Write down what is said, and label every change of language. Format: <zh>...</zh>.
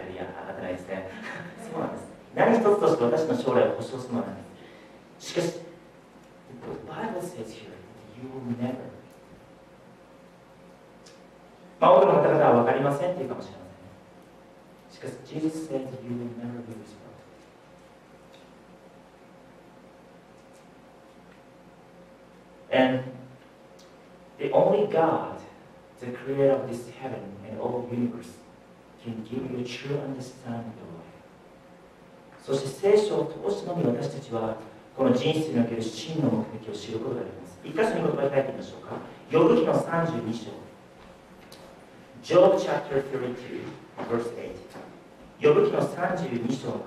<ja>ハレルヤ、当たってないですね。そうなんです。何一つとして私の将来を保証するものはないんです。しかし、</ja> <en>The Bible says here that you will never.</en> <ja>多くの方々は分かりませんというかもしれません。</ja> <en>Because Jesus said that you will never be responsible. And the only God, the creator of this heaven and all the universe, can give you a true understanding of life.</en> <ja>そして聖書を通してのみ私たちはこの人生における真の目的を知ることができます。一箇所に言葉を書いてみましょうか。ヨブ記の32章。</ja> <en>Job chapter 32, verse 8.</en> <ja>ヨブ記の32章の8節。</ja>